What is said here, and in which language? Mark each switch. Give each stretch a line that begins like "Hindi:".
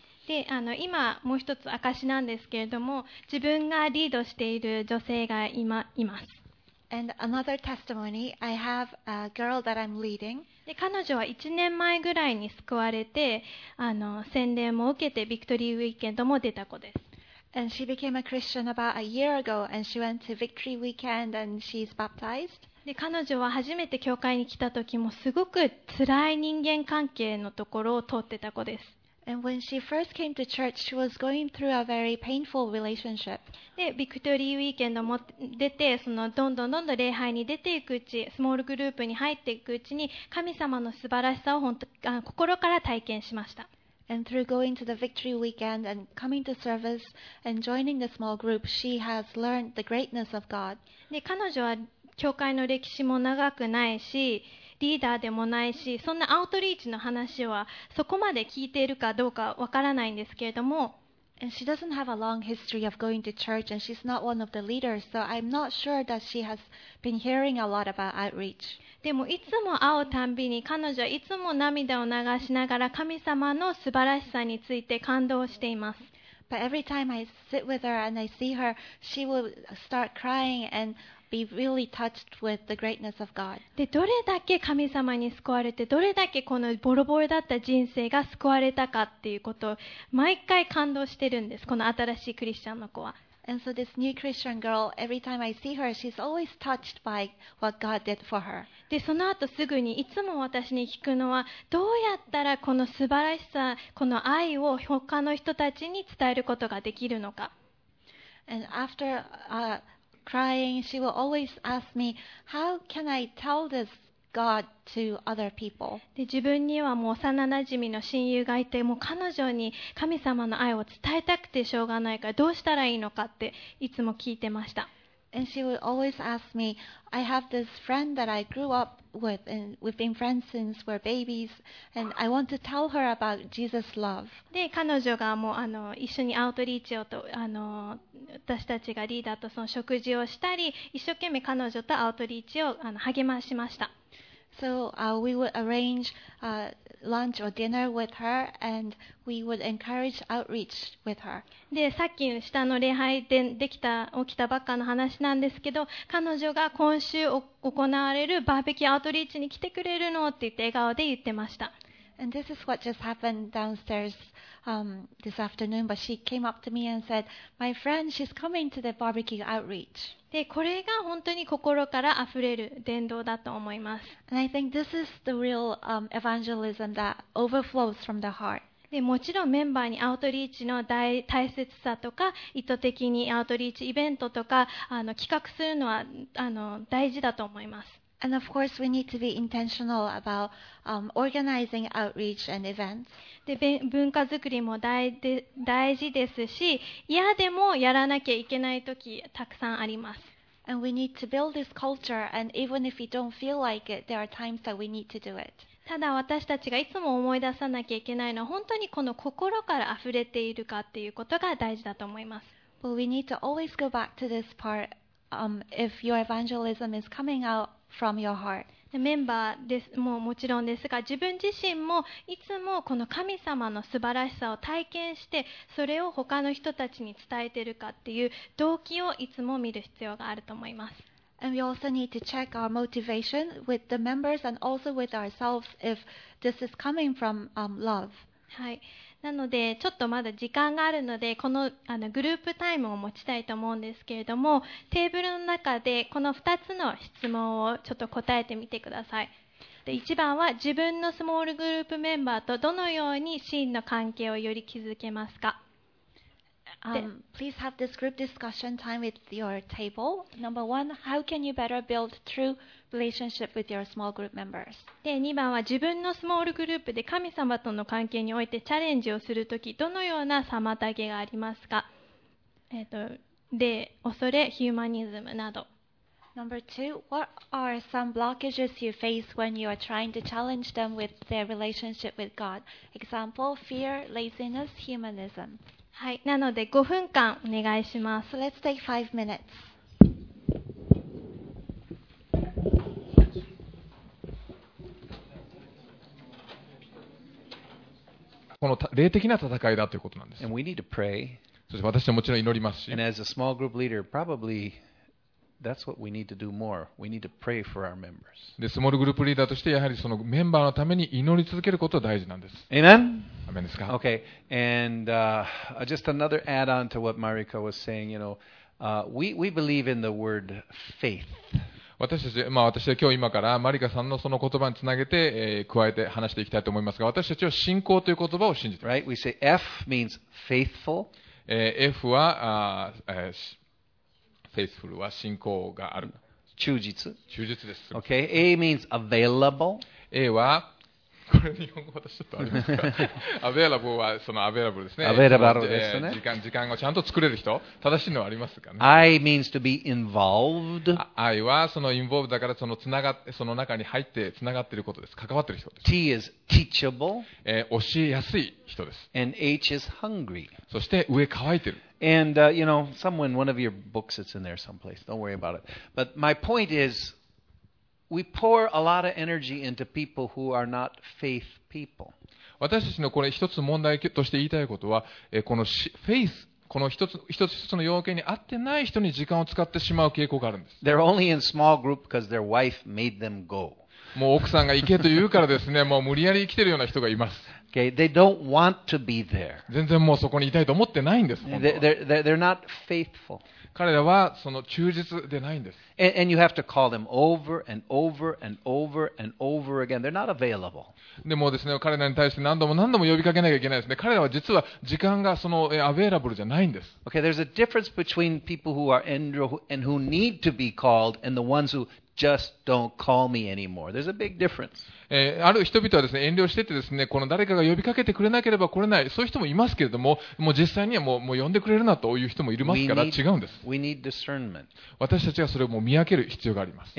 Japanese: で、今もう一つ証なんですけれども、自分がリードしている女性が今います。
English: And another testimony, I have a girl that I'm leading.
Japanese: で、彼女は1年前ぐらいに救われて、洗礼も受けてビクトリーウィーケンドも出た子です。
English: And she became a Christian about a year ago, and she went to Victory Weekend and she's baptized.
Japanese: で、彼女は初めて教会に来た時もすごく辛い人間関係のところを通ってた子です。
English: And when she first came to church, she was going through a very painful relationship.
Japanese: で、ビクトリーウィーケンドも出て、そのどんどんどんどん礼拝に出ていくうち、スモールグループに入っていくうちに、神様の素晴らしさを本当、心から体験しました。
English: And through going to the Victory Weekend and coming to service and joining the small group, she has learned the greatness of God.
Japanese: で、彼女は教会の歴史も長くないし、リーダーでもないし、そんなアウトリーチの話はそこまで聞いているかどうかわからないんですけれども、
English: And she doesn't have a long history of going to church, and she's not one of the leaders, so I'm not sure that she has been hearing a lot about outreach.
Japanese: でもいつも会うたんびに、彼女はいつも涙を流しながら神様の素晴らしさについて感動しています。
English: But every time I sit with her and I see her, she will start crying and be really touched with the greatness of God.
Japanese: で、どれだけ神様に救われて、どれだけこのボロボロだった人生が救われたかっていうことを毎回感動してるんです。この新しいクリスチャンの子は。
English: And so this new Christian girl, every time I see her, she's always touched by what God did for her.
Japanese: で、その後すぐにいつも私に聞くのは、どうやったらこの素晴らしさ、この愛を他の人たちに伝えることができるのか。
English: And after, crying, she will always ask me, how can I tell this? God to other people.
Japanese: で自分にはもう幼なじみの親友がいて、もう彼女に神様の愛を伝えたくてしょうがないから、どうしたらいいのかっていつも聞いてました。
English: And she would always ask me, I have this friend that I grew up with, and we've been friends since we're babies, and I want to tell her about Jesus' love.
Japanese: で彼女がもう一緒にアウトリーチをと私たちがリーダーとその食事をしたり、一生懸命彼女とアウトリーチを励ましました。
English: So, we would arrange, lunch or dinner with her, and we would encourage outreach with her.
Japanese: で、さっき下の礼拝で起きたばっかの話なんですけど、彼女が今週行われるバーベキューアウトリーチに来てくれるのって言って笑顔で言ってました。
English: And this is what just happened downstairs, this afternoon, but she came up to me and said, my friend, she's coming to the barbecue outreach.
Japanese: でこれが本当に心からあふれる伝道だと思います。
English: And I think this is the real, evangelism that overflows from the heart.
Japanese: でもちろんメンバーにアウトリーチの 大切さとか、意図的にアウトリーチイベントとか企画するのは大事だと思います。
English: And of course, we need to be intentional about, organizing outreach and events.
Japanese: で、文化作りも大事ですし、嫌でもやらなきゃいけない時たくさんあります。
English: And we need to build this culture, and even if we don't feel like it, there are times that we need to do it.
Japanese: ただ私たちがいつも思い出さなきゃいけないのは、本当にこの心から溢れているかっていうことが大事だと思います。
English: But we need to always go back to this part, if your evangelism is coming out. From your heart.
Japanese: メンバーですももちろんですが、自分自身もいつもこの神様の素晴らしさを体験して、それを他の人たちに伝えているかっていう動機をいつも見る必要があると思います。
English: And we also need to check our motivation with the members and also with ourselves if this is coming from, love.
Japanese: はい、なのでちょっとまだ時間があるので、このグループタイムを持ちたいと思うんですけれども、テーブルの中でこの2つの質問をちょっと答えてみてください。で、1番は、自分のスモールグループメンバーとどのように真の関係をより築けますか。
English: Please have this group discussion time with your table. Number one, how can you better build true relationship with your small group members?
Japanese: で、2番は、自分のスモールグループで神様との関係においてチャレンジをするとき、どのような妨げがありますか。で、恐れ、ヒューマニズムなど。
English: Number two, what are some blockages you face when you are trying to challenge them with their relationship with God? Example, fear, laziness, humanism.
Japanese: はい、なので5分間お願いします。
English: So、let's take 5 minutes.
Japanese: この霊的な戦いだということなんです。
English: And we need to pray.
Japanese: そして私はもちろん祈りますし。
English: And as a small group leader, probably that's what we need to do more. We need to pray for our members.
Japanese: で、スモールグループリーダーとしてやはりそのメンバーのために祈り続けることが大事なんです。
English: Amen.
Japanese: ですか?
English: Okay, and just another add-on to what Marika was saying, you know, we believe in the word faith.
Japanese: 私たち、まあ私は今日今からマリカさんのその言葉につなげて、加えて話していきたいと思いますが、私たちは信仰という言葉を信じています。
English: Right? We say F means faithful.
Japanese: F は、faithful は信仰がある。忠実。忠実です。
English: Okay, A means available.
Japanese: A はこれ日本語私ちょっとありますか。 Available はその Available ですね。時間をちゃんと作れる人、正しいのはありますかね。
English: I means to be involved。
Japanese: I はそのinvolvedだからそのつながその中に入ってつながっていることです。関わっている人です。
English: T is teachable。
Japanese: 教えやすい人です。
English: And H is hungry。
Japanese: そして上乾いてる。
English: And you know, someone, one of your books, it's in there someplace. Don't worry about it. But my point is. We pour a lot of energy into people who are not faith people.
Japanese: 私たちのこれ一つ問題として言いたいことは、このフェイス、この一つ一つの要件に合ってない人に時間を使ってしまう傾向があるんです。
English: They're only in small group because their wife made them go.
Japanese: もう奥さんが行けと言うからですね、もう無理やり生きてるような人がいます。
English: Okay, they don't want to be there.
Japanese: 全然もうそこにいたいと思ってないんです。
English: They're not faithful.
Japanese: 彼らはその忠実でないんです。
English: And you have to call them over and over and over and over again. They're not available.
Japanese: でもですね、彼らに対して何度も何度も呼びかけなきゃいけないですね。彼らは実は時間がそのアベイラブルじゃないんです。
English: Okay, there's a difference between people who are Andrew and who need to be called and the ones who just don't call me anymore. There's a big difference.
Japanese: ある人々はですね、遠慮しててですね、この誰かが呼びかけてくれなければ来れない、そういう人もいますけれども、もう実際にはもう呼んでくれるなという人もいますから違うんです。
English: We need discernment.
Japanese: 私たちはそれをもう見分ける必要があります。